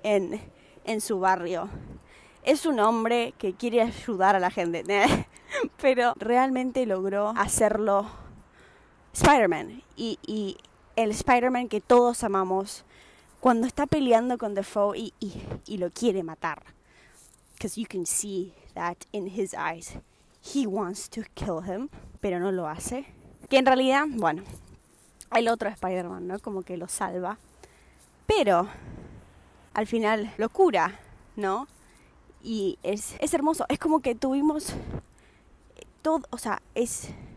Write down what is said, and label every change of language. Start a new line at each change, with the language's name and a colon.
Spanish: En su barrio. Es un hombre que quiere ayudar a la gente. Pero realmente logró hacerlo Spider-Man. Y el Spider-Man que todos amamos, cuando está peleando con Defoe y lo quiere matar.
English: Because you can see that in his eyes. He wants to kill him,
Spanish: pero no lo hace. Que en realidad, bueno, el otro Spider-Man, ¿no? Como que lo salva. Pero al final lo cura, ¿no? Y es hermoso. Es como que tuvimos todo. O sea, es.